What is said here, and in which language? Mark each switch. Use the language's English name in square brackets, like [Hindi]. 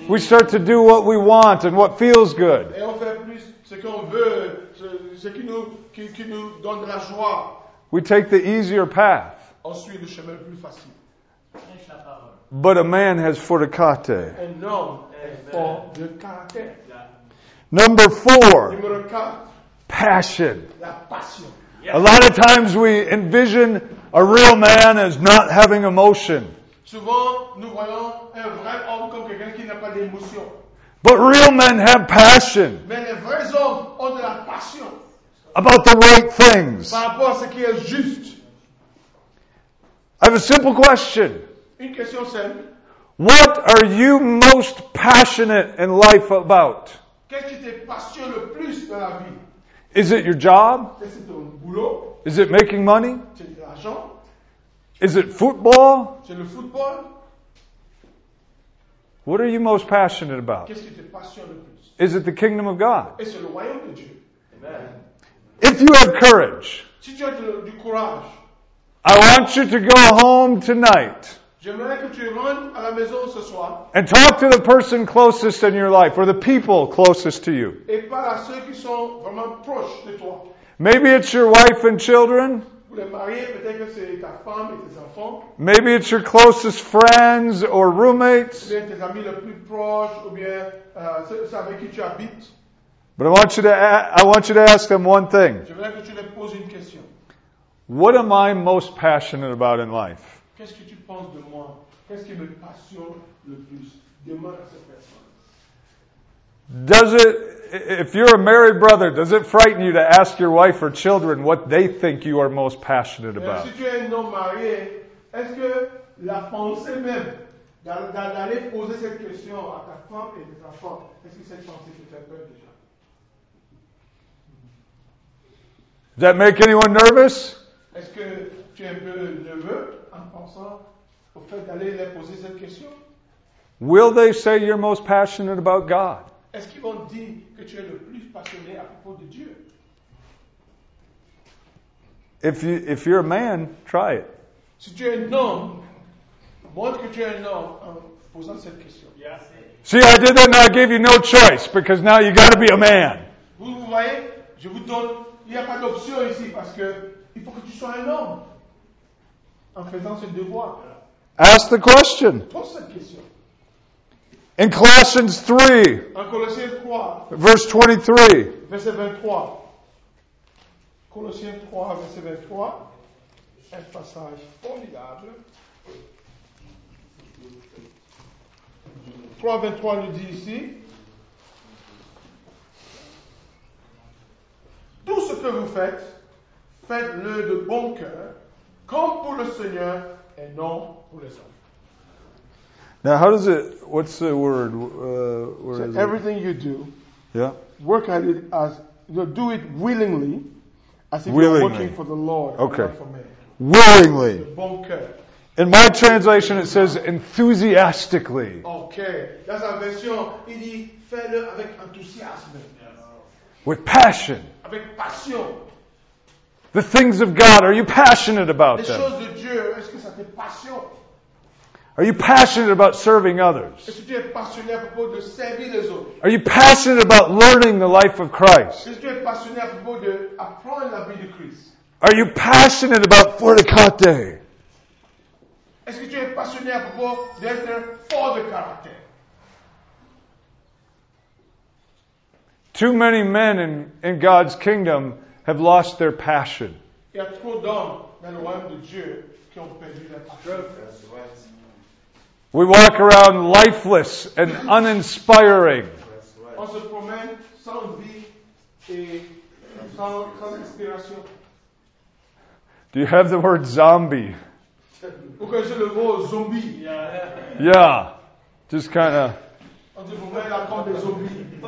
[English] We start to do what we want and what feels good. [French] Et on fait plus ce qu'on veut, ce qui nous donne de la joie. [English] We take the easier path. [French] On suit le chemin plus facile. [English] But a man has fortitude. [French] Un homme est fort de caractère. [English] Number four, [French] Numéro quatre, [English] passion. [French] La passion. [English] Yes. A lot of times we envision a real man as not having emotion. [French] Souvent, nous voyons un vrai homme comme quelqu'un qui n'a pas d'émotion. [English] But real men have passion. [French] Mais les vrais hommes ont de la passion. [English] About the right things. [French] Par rapport à ce qui est juste. [English] I have a simple question. [French] Une question simple. [English] What are you most passionate in life about? [French] Qu'est-ce qui te passionne le plus dans la vie? [English] Is it your job? [French] C'est ton boulot? [English] Is it making money? [French] C'est de l'argent? [English] Is it football? [French] C'est le football? [English] What are you most passionate about? [French] Qu'est-ce qui te passionne le plus? [English] Is it the kingdom of God? [French] Est-ce le royaume de Dieu? [English] Amen. If you have courage, [French] si tu as du courage, [English] I want you to go home tonight. [French] J'aimerais que tu rentres à la maison ce soir. [English] And talk to the person closest in your life, or the people closest to you. [French] Et parle à ceux qui sont vraiment proches de toi. [English] Maybe it's your wife and children. [French] Ou les mariés, peut-être que c'est ta femme et tes enfants. [English] Maybe it's your closest friends or roommates. [French] Ou bien tes amis les plus proches, ou bien ceux avec qui tu habites. [English] But I want you to ask them one thing. [French] J'aimerais que tu leur poses une question. [English] What am I most passionate about in life? [French] Qu'est-ce que tu penses de moi? Qu'est-ce qui me passionne le plus? Demande à cette personne. [English] Does it, if you're a married brother, does it frighten you to ask your wife or children what they think you are most passionate about? [French] Si tu es non marié, est-ce que la pensée même d'aller poser cette question à ta femme et tes enfants, est-ce que cette pensée te fait peur déjà? [English] Does that make anyone nervous? [French] Est-ce que tu es un peu nerveux? Au fait d'aller leur poser cette question? [English] Will they say you're most passionate about God? [French] Est-ce qu'ils vont dire que tu es le plus passionné à propos de Dieu? [English] If you're a man, try it. [French] Si tu es un homme, montre que tu es un homme en posant cette question. [English] See, I did that and I gave you no choice because now you got to be a man. [French] Vous voyez, je vous donne, il n'y a pas d'option ici parce que il faut que tu sois un homme en faisant ce devoir. [English] Ask the question. [French] Pose cette question. [English] In Colossians 3, [French] en Colossiens 3, [English] verse 23, [French] verset 23, Colossiens 3, verset 23, un passage formidable. 3, 23 nous dit ici, tout ce que vous faites, faites-le de bon cœur, comme pour le Seigneur et non pour les hommes. [English] Now, how does it, what's the word? Where so is everything it? You do, yeah. Work at it as, you know, do it willingly, as if willingly. You're working for the Lord, okay. Not for me. Willingly. Bunker. In my translation, it says enthusiastically. Okay. That's our version. [French] Il dit, fais-le avec enthousiasme. [English] With passion. [French] Avec passion. [English] The things of God, are you passionate about them? [French] Les choses de Dieu, est-ce que ça te passionne? [English] Are you passionate about serving others? [French] Est-ce que tu es passionné à propos de servir les autres? [English] Are you passionate about learning the life of Christ? [French] Est-ce que tu es passionné à propos de apprendre la vie de Christ? [English] Are you passionate about Fortecate? [French] Est-ce que tu es passionné à propos d'être Fortecate? [English] Too many men in God's kingdom have lost their passion. [French] Il y a trop d'hommes dans le royaume de Dieu qui ont perdu leur passion. [English] We walk around lifeless and uninspiring. [French] On se promène sans vie et sans inspiration. [English] Do you have the word zombie? [French] Pourquoi j'ai le mot zombie? [English] Yeah. Just kind of. [French] On se promène là comme des zombies.